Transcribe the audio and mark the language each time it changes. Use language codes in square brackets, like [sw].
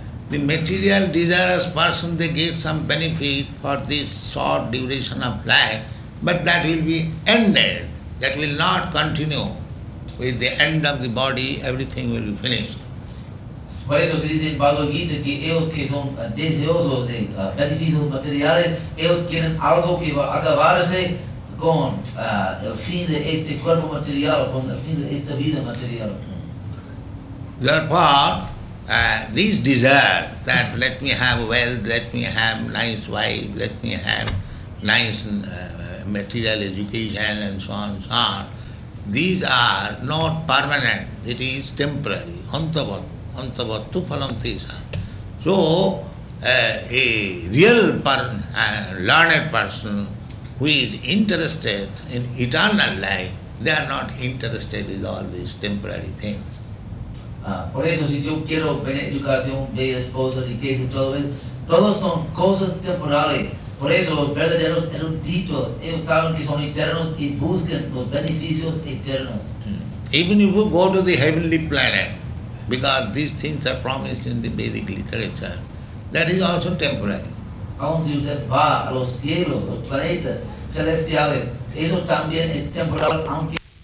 [en] The material desirous person, they get some benefit for this short duration of life, but that will be ended. That will not continue. With the end of the body, everything will be finished. [es] Por eso se dice en Bhagavad Gita que ellos que son deseosos de beneficios materiales, ellos quieren algo que va a acabarse con el fin de este cuerpo material, con el fin de esta vida material. [en] Therefore, these desires that let me have wealth, let me have nice wife, let me have nice material education and so on, these are not permanent, it is temporary. [sa] Antavattu phalam tesa. [en] So, a real learned person who is interested in eternal life, they are not interested with all these temporary things. [es] Por eso, si yo quiero buena educación, bella esposa, riqueza, todo eso, todos son cosas temporales. Por eso, los verdaderos eruditos, ellos saben que son eternos y buscan los beneficios eternos. [en] Even if you go to the heavenly planet, because these things are promised in the Vedic literature, that is also temporary. [es] Aun si usted va a los cielos, los planetas celestiales, eso también es temporal, aunque